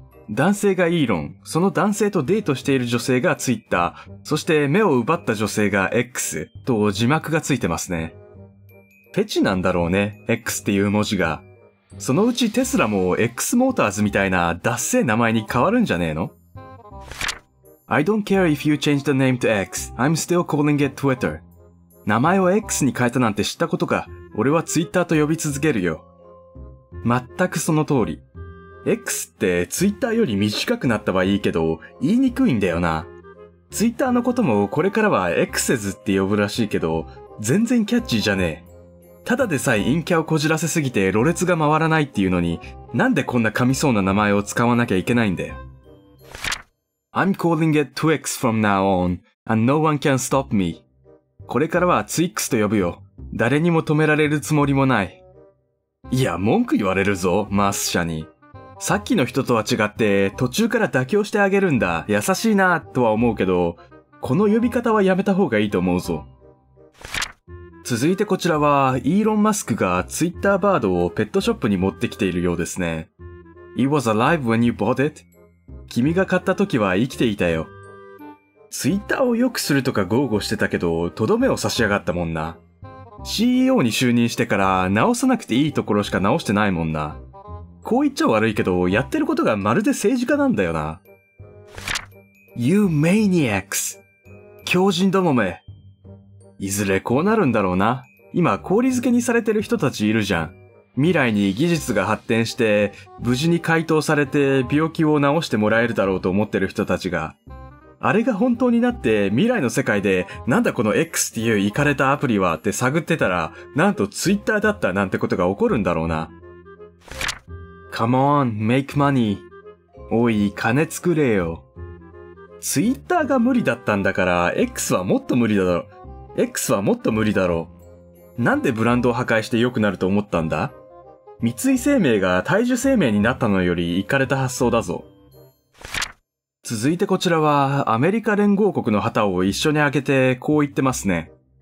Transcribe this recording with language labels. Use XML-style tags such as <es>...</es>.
<ja>男性がイーロン、その男性とデートしている女性がツイッター、そして目を奪った女性が X と字幕がついてますね。フェチなんだろうね、X っていう文字が。そのうちテスラも X モーターズみたいなダッセー名前に変わるんじゃねえの？</ja> <en>I don't care if you change the name to X. I'm still calling it Twitter.</en> <ja>名前を X に変えたなんて知ったことか。俺は Twitter と呼び続けるよ。全くその通り。X って Twitter より短くなったはいいけど、言いにくいんだよな。 Twitter のこともこれからは X's って呼ぶらしいけど、全然キャッチーじゃねえ。ただでさえ陰キャをこじらせすぎて、ろれつが回らないっていうのに、なんでこんな噛みそうな名前を使わなきゃいけないんだよ。</ja> <en>I'm calling it Twix from now on, and no one can stop me.</en> <ja>これからは Twix と呼ぶよ。誰にも止められるつもりもない。いや、文句言われるぞ、マース社に。さっきの人とは違って、途中から妥協してあげるんだ、優しいな、とは思うけど、この呼び方はやめた方がいいと思うぞ。続いてこちらは、イーロン・マスクがツイッターバードをペットショップに持ってきているようですね。</ja> <en>It was alive when you bought it?</en> <ja>君が買った時は生きていたよ。ツイッターを良くするとか豪語してたけど、とどめを差し上がったもんな。 CEO に就任してから直さなくていいところしか直してないもんな。こう言っちゃ悪いけど、やってることがまるで政治家なんだよな。</ja> <en>You maniacs!</en> <ja>狂人どもめ。いずれこうなるんだろうな。今、氷漬けにされてる人たちいるじゃん。未来に技術が発展して、無事に解凍されて病気を治してもらえるだろうと思ってる人たちが。あれが本当になって、未来の世界で、なんだこの X っていうイカれたアプリはって探ってたら、なんと Twitter だったなんてことが起こるんだろうな。</ja> <en>Come on, make money.</en> <ja>おい、金作れよ。 Twitter が無理だったんだから、X はもっと無理だろ。 X はもっと無理だろう。なんでブランドを破壊して良くなると思ったんだ？三井生命が大樹生命になったのよりイカれた発想だぞ。続いてこちらはアメリカ連合国の旗を一緒に開けてこう言ってますね。</ja>